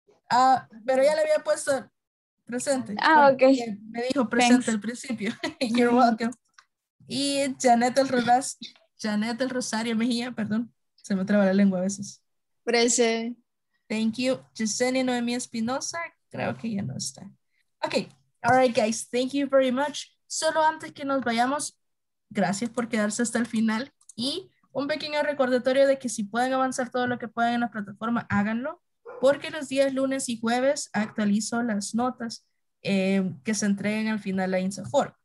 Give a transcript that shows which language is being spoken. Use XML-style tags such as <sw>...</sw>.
<es>Ah, pero ya le había puesto presente. Ah, ok. Me dijo presente thanks. Al principio.</es> <en>You're welcome.</en> <es>Y Janet el Rosario Mejía, perdón, se me traba la lengua a veces.</es> <en>Present. Thank you.</en> <es>Yesenia Noemí Espinosa, creo que ya no está.</es> <en>Ok, all right, guys, thank you very much.</en> <es>Solo antes que nos vayamos, gracias por quedarse hasta el final y un pequeño recordatorio de que si pueden avanzar todo lo que puedan en la plataforma, háganlo, porque los días lunes y jueves actualizo las notas que se entreguen al final a INSAFOR.</es>